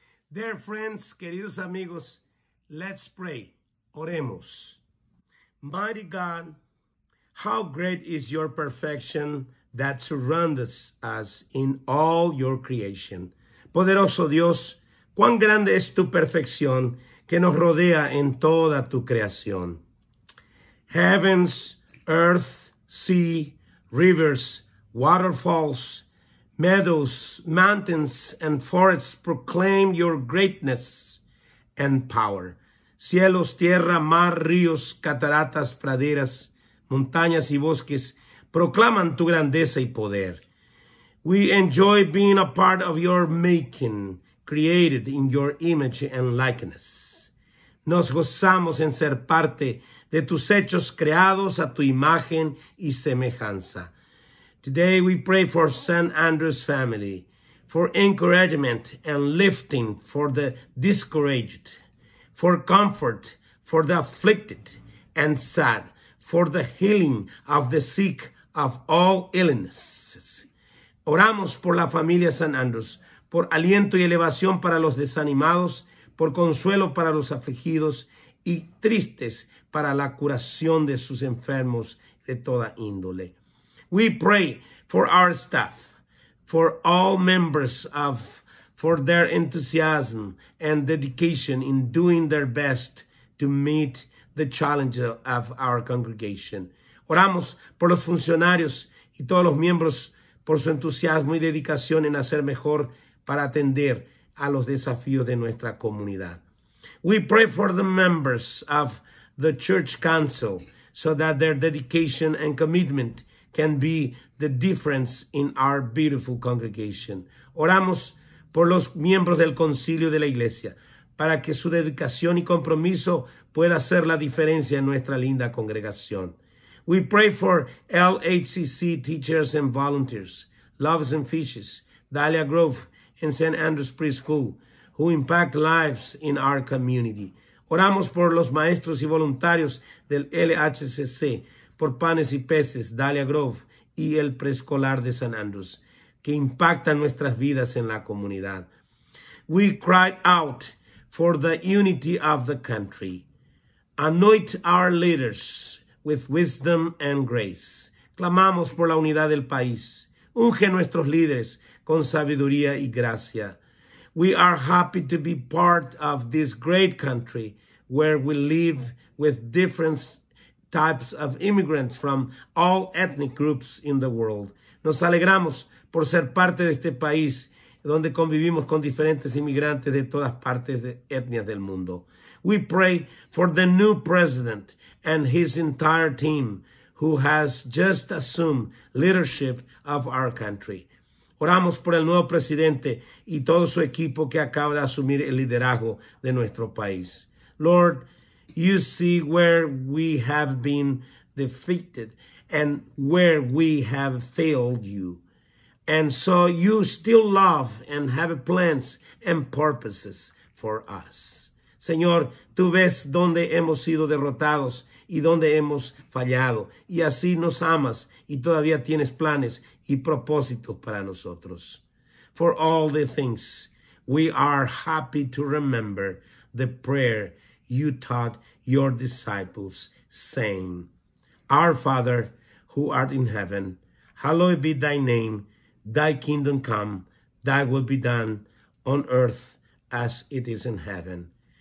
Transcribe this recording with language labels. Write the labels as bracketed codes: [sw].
[en] Dear friends, [es] queridos amigos, [en] let's pray. [es] Oremos. [en] Mighty God, how great is your perfection that surrounds us in all your creation. [es] Poderoso Dios, cuán grande es tu perfección que nos rodea en toda tu creación. [en] Heavens, earth, sea, rivers, waterfalls, meadows, mountains, and forests proclaim your greatness and power. [es] Cielos, tierra, mar, ríos, cataratas, praderas, montañas y bosques proclaman tu grandeza y poder. [en] We enjoy being a part of your making, created in your image and likeness. [es] Nos gozamos en ser parte de tus hechos creados a tu imagen y semejanza. [en] Today we pray for St. Andrew's family, for encouragement and lifting for the discouraged, for comfort for the afflicted and sad, for the healing of the sick of all illnesses. [es] Oramos por la familia San Andrés, por aliento y elevación para los desanimados, por consuelo para los afligidos y tristes para la curación de sus enfermos de toda índole. [en] We pray for our staff, for all members of, for their enthusiasm and dedication in doing their best to meet the challenges of our congregation. [es] Oramos por los funcionarios y todos los miembros por su entusiasmo y dedicación en hacer mejor para atender a los desafíos de nuestra comunidad. [en] We pray for the members of the church council so that their dedication and commitment can be the difference in our beautiful congregation. [es] Oramos por los miembros del concilio de la iglesia para que su dedicación y compromiso pueda hacer la diferencia en nuestra linda congregación. [en] We pray for LHCC teachers and volunteers, Loves and Fishes, Dahlia Grove, and St. Andrew's Preschool, who impact lives in our community. [es] Oramos por los maestros y voluntarios del LHCC, por Panes y Peces, Dahlia Grove, y el preescolar de St. Andrew's, que impactan nuestras vidas en la comunidad. [en] We cry out for the unity of the country. Anoint our leaders with wisdom and grace. [es] Clamamos por la unidad del país. Unge nuestros líderes con sabiduría y gracia. [en] We are happy to be part of this great country where we live with different types of immigrants from all ethnic groups in the world. [es] Nos alegramos por ser parte de este país donde convivimos con diferentes inmigrantes de todas partes de etnias del mundo. [en] We pray for the new president and his entire team who has just assumed leadership of our country. [es] Oramos por el nuevo presidente y todo su equipo que acaba de asumir el liderazgo de nuestro país. [en] Lord, you see where we have been defeated and where we have failed you. And so you still love and have plans and purposes for us. [es] Señor, tú ves dónde hemos sido derrotados y dónde hemos fallado. Y así nos amas y todavía tienes planes y propósitos para nosotros. [en] For all the things, we are happy to remember the prayer you taught your disciples, saying, Our Father, who art in heaven, hallowed be thy name. Thy kingdom come, thy will be done on earth as it is in heaven.